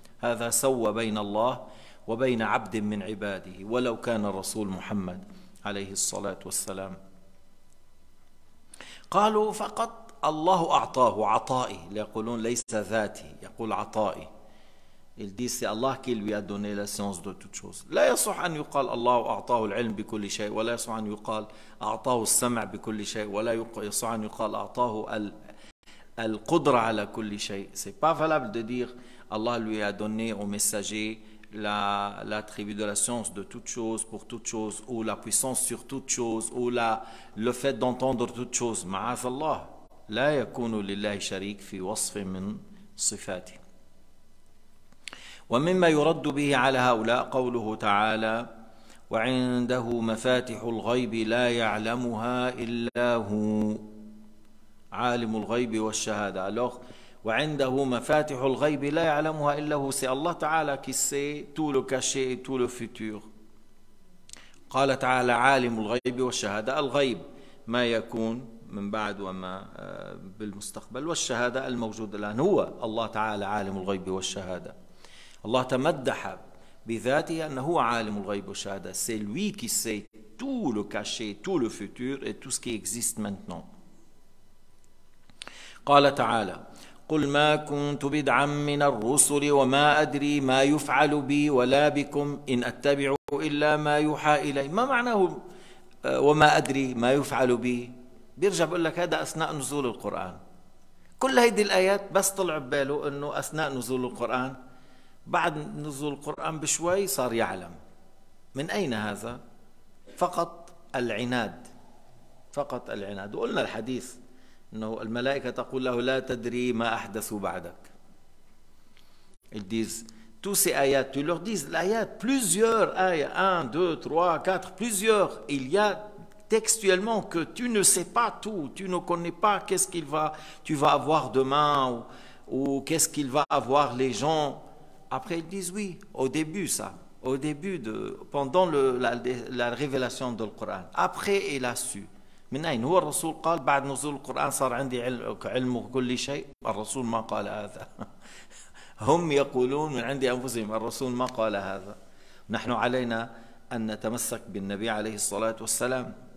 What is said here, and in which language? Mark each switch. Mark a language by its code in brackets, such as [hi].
[ar] هذا سوى بين الله وبين عبد من عباده ولو كان الرسول محمد عليه الصلاة والسلام. قالوا فقط الله أعطاه عطائي، يقولون ليس ذاتي، يقول عطائي. [fr] Ils disent c'est Allah qui lui a donné la science de toutes choses. [ar] لا يصح أن يقال الله أعطاه العلم بكل شيء، ولا يصح أن يقال أعطاه السمع بكل شيء، ولا يصح أن يقال أعطاه القدرة على كل شيء. [fr] C'est pas valable de dire Allah lui a donné au messager l'attribut de la science de toutes choses pour toutes choses, ou la puissance sur toutes choses, ou le fait d'entendre toutes choses. [ar] معاذ الله لا يكون لله شريك في وصف من صفاته. ومما يرد به على هؤلاء قوله تعالى وعنده مفاتح الغيب لا يعلمها إلا هو عالم الغيب والشهادة. [fr] alors [ar] وعنده مفاتح الغيب لا يعلمها إلا هو، [fr] c'est Allah تعالى qui sait tout le caché et tout le futur. [ar] قال تعالى عالم الغيب والشهادة، الغيب ما يكون من بعد وما بالمستقبل، والشهادة الموجود الآن. هو الله تعالى عالم الغيب والشهادة. الله تمدح بذاته أنه عالم الغيب والشهادة. [fr] C'est lui qui sait tout le caché, tout le futur et tout ce qui existe maintenant. [ar] قال تعالى قل ما كنت بدعا من الرسل وما أدري ما يفعل بي ولا بكم إن أتبع إلا ما يوحى إلي. ما معناه وما أدري ما يفعل بي؟ بيرجع بقول لك هذا أثناء نزول القرآن. كل هذه الآيات بس طلع بباله أنه أثناء نزول القرآن، بعد نزول القرآن بشوي صار يعلم. من أين هذا؟ فقط العناد، فقط العناد. وقلنا الحديث أنه الملائكة تقول له لا تدري ما أحدث بعدك. [fr] Ils disent tous ces ayats, tu leur dis l'ayat, plusieurs ayats, 1, 2, 3, 4, plusieurs. Il y a textuellement que tu ne sais pas tout, tu ne connais pas qu'est-ce qu'il va, tu vas avoir demain ou qu'est-ce qu'il va avoir les gens. Après ils disent oui, au début ça, au début de, pendant la révélation du Coran. Après il a su. [ar] من أين؟ هو الرسول قال بعد نزول القرآن صار عندي علم كل شيء. الرسول ما قال هذا، هم يقولون من عندي أنفسهم، الرسول ما قال هذا. نحن علينا أن نتمسك بالنبي عليه الصلاة والسلام.